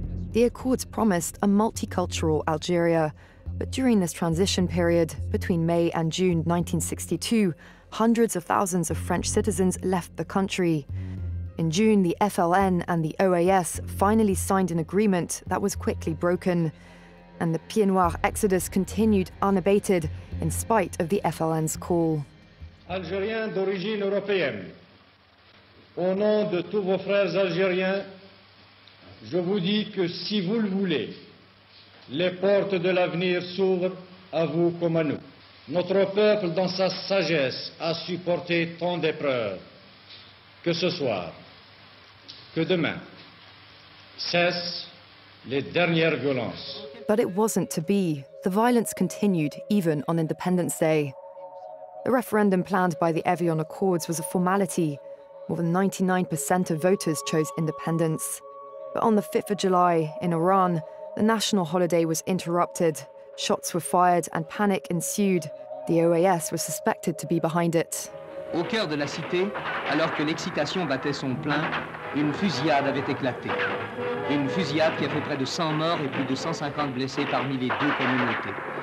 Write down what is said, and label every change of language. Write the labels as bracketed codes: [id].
[en] The accords promised a multicultural Algeria, but during this transition period, between May and June 1962, hundreds of thousands of French citizens left the country. In June, the FLN and the OAS finally signed an agreement that was quickly broken, and the Pieds Noirs exodus continued unabated in spite of the FLN's call. [fr] Algériens d'origine européenne, au nom de tous vos frères algériens, je vous dis que si vous le voulez, les portes de l'avenir s'ouvrent à vous comme à nous. Notre peuple, dans sa sagesse, a supporté tant d'épreuves. Que ce soir, que demain, cessent les dernières violences. [en] But it wasn't to be. The violence continued, even on Independence Day. The referendum planned by the Évian Accords was a formality. More than 99% of voters chose independence. But on the 5th of July, in Iran, the national holiday was interrupted. Shots were fired and panic ensued. The OAS was suspected to be behind it. [fr] Au cœur de la cité, alors que l'excitation battait son plein, une fusillade avait éclaté. Une fusillade qui a fait près de 100 morts et plus de 150 blessés parmi les deux communautés.